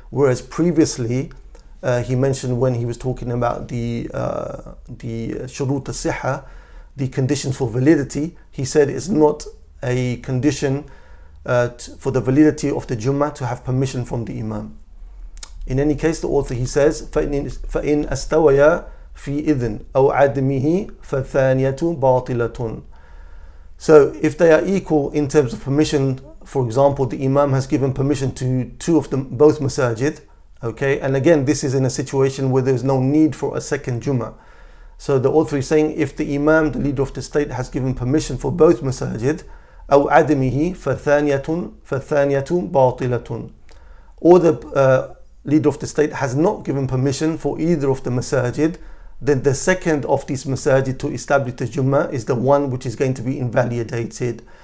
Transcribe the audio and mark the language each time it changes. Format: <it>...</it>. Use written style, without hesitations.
<en>Whereas previously, he mentioned when he was talking about the shurut al-siha, the conditions for validity, he said it's not a condition for the validity of the Jummah to have permission from the Imam.</en> <ar>In any case, the author, he says, فَإِنْ أَسْتَوَيَا فِي إِذْنْ أَوْ عَدْمِهِ فَالثَّانِيَةُ بَاطِلَةٌ.</ar> <en>So if they are equal in terms of permission, for example, the Imam has given permission to two of them, both masajid, okay, and again, this is in a situation where there's no need for a second Jummah. So the author is saying, if the Imam, the leader of the state, has given permission for both masajid,</en> <ar>أو عدمه فالثانية باطلة,</ar> <en>or the leader of the state has not given permission for either of the masajid, then the second of these masajid to establish the Jummah is the one which is going to be invalidated.</en>